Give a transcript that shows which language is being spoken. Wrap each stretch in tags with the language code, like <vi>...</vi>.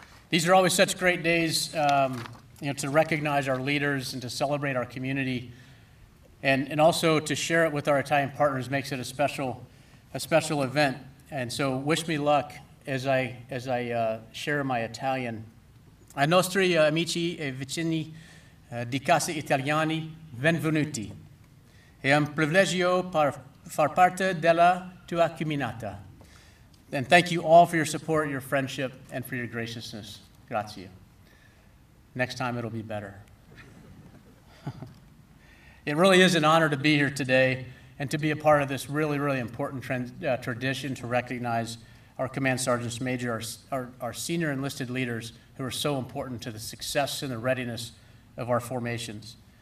<en>These are always such great days. To recognize our leaders and to celebrate our community, and also to share it with our Italian partners makes it a special event. And so, wish me luck as I share my Italian.</en> <it>Ai nostri amici e vicini di casa italiani, benvenuti. È un privilegio far parte della tua comunità.</it> <en>And thank you all for your support, your friendship, and for your graciousness. Grazie. Next time it'll be better. It really is an honor to be here today and to be a part of this really, really important tradition to recognize our Command Sergeants Major, our senior enlisted leaders who are so important to the success and the readiness of our formations.</en>